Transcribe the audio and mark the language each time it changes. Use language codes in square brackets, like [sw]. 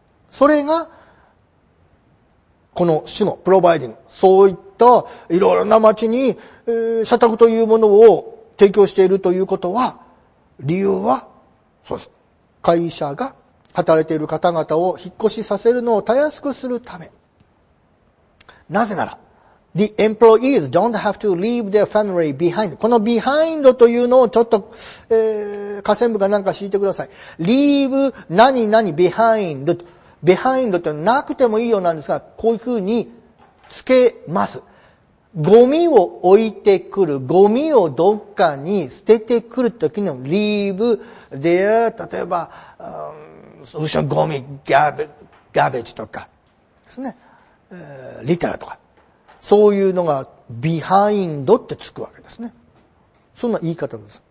[ja] それが、この主語、providing。そういったいろいろな町に、社宅というものを提供しているということは、理由は、そうです。会社が働いている方々を引っ越しさせるのをたやすくするため。なぜなら、 [en] the employees don't have to leave their family behind。 [ja] この behind というのをちょっと、下線部がなんか敷いてください。 [en] leave [ja] 何々 [en] behind。 [ja] behind ってなくてもいいようなんですが、こういうふうにつけます。ゴミを置いてくる、ゴミをどっかに捨ててくるときの [en] leave there、 [ja] 例えば、後ろのゴミ、ガベージとかですね、リターとか、そういうのが behind ってつくわけですね。そんな言い方です。